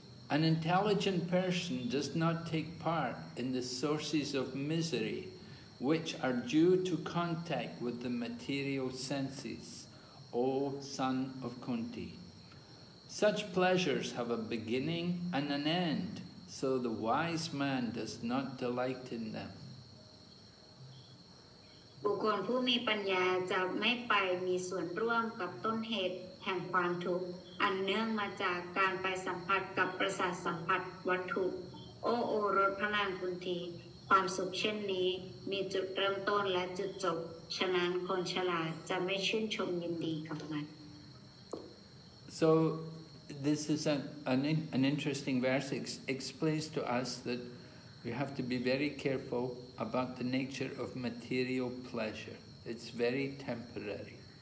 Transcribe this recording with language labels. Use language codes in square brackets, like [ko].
[en] An intelligent person does not take part in the sources of misery which are due to contact with the material senses, O son of Kunti. Such pleasures have a beginning and an end, so the wise man does not delight in them. [th] บุคคลผู้มีปัญญาจะไม่ไปมีส่วนร่วมกับต้นเหตุแห่งความทุกข์อันเนื่องมาจากการไปสัมผัสกับประสาทสัมผัสวัตถุโอรสพระนางกุนทีความสุขเช่นนี้มีจุดเริ่มต้นและจุดจบฉะนั้นคนฉลาดจะไม่ชื่นชมยินดีกับมัน [en] So this is an interesting verse explains to us that we have to be very carefulabout the nature of material pleasure. It's very temporary.